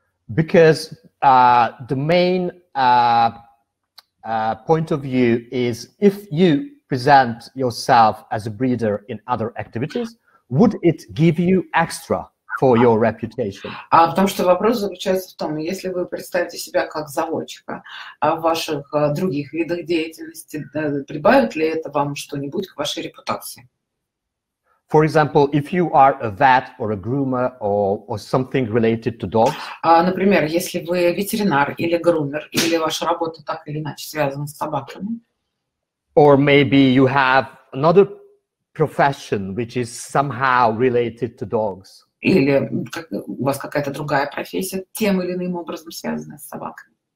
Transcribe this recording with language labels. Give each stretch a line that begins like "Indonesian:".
English: Because the main point of view is if you present yourself as a breeder in other activities, would it give you extra for your reputation?
Russian: Потому что вопрос заключается в том, если вы представите себя как заводчика в ваших других видах деятельности, прибавит ли это вам что-нибудь к вашей репутации?
English: For example, if you are a vet or a groomer or something related to dogs.
Russian: Например, если вы ветеринар или грумер, или ваша работа так или иначе связана с собаками.
English: Or maybe you have another profession which is somehow related to dogs.
Russian: Или у вас какая-то другая профессия, тем или иным образом связанная с собаками.